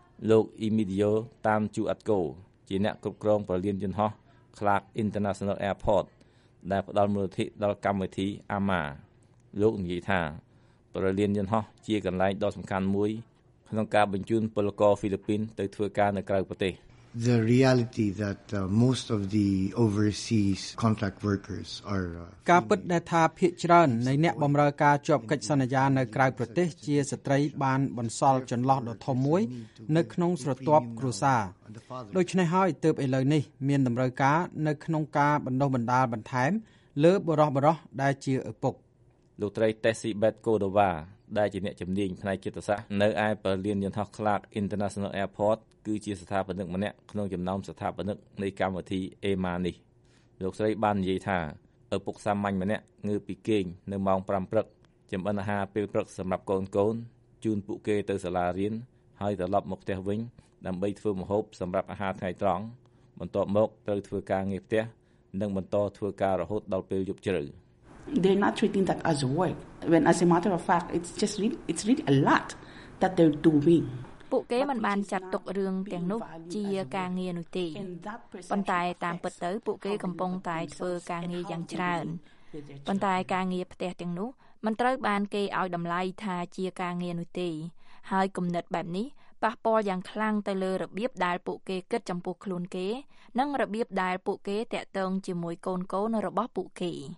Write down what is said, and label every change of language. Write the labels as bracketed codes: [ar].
[km] លោកអ៊ីមីឌីយ៉ូតាមជូអាត់កូជាអ្នកគ្រប់គ្រងប្រលានយន្តហោះ Clark International Airport ដែលផ្ដល់មូលនិធិដល់កម្មវិធី AMA លោកនិយាយថាប្រលានយន្តហោះជាកន្លែងដ៏សំខាន់មួយក្នុងការបញ្ជូនពលករហ្វីលីពីនទៅធ្វើការនៅក្រៅប្រទេស [en] The reality that most of the overseas contract workers are [km] ការពិតដែលថាភាគច្រើននៃអ្នកបម្រើការជាប់កិច្ចសន្យានៅក្រៅប្រទេសជាស្ត្រីបានបន្សល់ចន្លោះដ៏ធំមួយនៅក្នុងស្រទាប់គ្រួសារដូច្នេះហើយទើបឥឡូវនេះមានតម្រូវការនៅក្នុងការបណ្ដុះបណ្ដាលបន្ថែមលើបុរសដែលជាឪពុក លោកត្រីតេស៊ីបេតកូដូវ៉ាដែលជាអ្នកជំនាញផ្នែកចិត្តសាស្ត្រនៅឯប្រលានយន្តហោះ Clark International Airport គឺជាស្ថាបនិកម្នាក់ក្នុងចំណោមស្ថាបនិកនៃកម្មវិធី AMA នេះលោកស្រីបាននិយាយថាឪពុកសាមញ្ញម្នាក់ងើបពីគេងនៅម៉ោង5ព្រឹកចម្អិនអាហារពេលព្រឹកសម្រាប់កូនៗជូនពួកគេទៅសាលារៀន ហើយត្រឡប់មកផ្ទះវិញដើម្បីធ្វើម្ហូបសម្រាប់អាហារថ្ងៃត្រង់បន្ទាប់មកត្រូវធ្វើការងារផ្ទះនិងបន្តធ្វើការរហូតដល់ពេលយប់ជ្រៅ [en] They're not treating that as work when as a matter of fact it's really a lot that they're doing [km] ពួកគេមិនបានចាត់ទុករឿងទាំងនោះជាការងារនោះទេប៉ុន្តែតាមពិតទៅពួកគេកំពុងតែធ្វើការងារយ៉ាងច្រើនប៉ុន្តែការងារផ្ទះទាំងនោះមិនត្រូវបានគេឲ្យតម្លៃថាជាការងារនោះទេហើយគំនិតបែបនេះប៉ះពាល់យ៉ាងខ្លាំងទៅលើរបៀបដែលពួកគេគិតចំពោះខ្លួនគេនិងរបៀបដែលពួកគេតាក់ទងជាមួយកូនកូនរបស់ពួកគេ